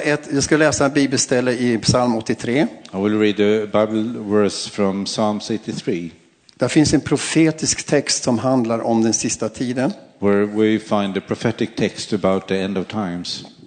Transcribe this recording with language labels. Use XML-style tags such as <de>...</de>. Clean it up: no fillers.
<sv>Jag ska läsa en bibelställe i Psalm 83.</sv> <en>I will read the Bible verse from Psalm 83.</en> <sv>Där finns en profetisk text som handlar om den sista tiden.</sv> <en>Where we find a prophetic text about the end of times.</en>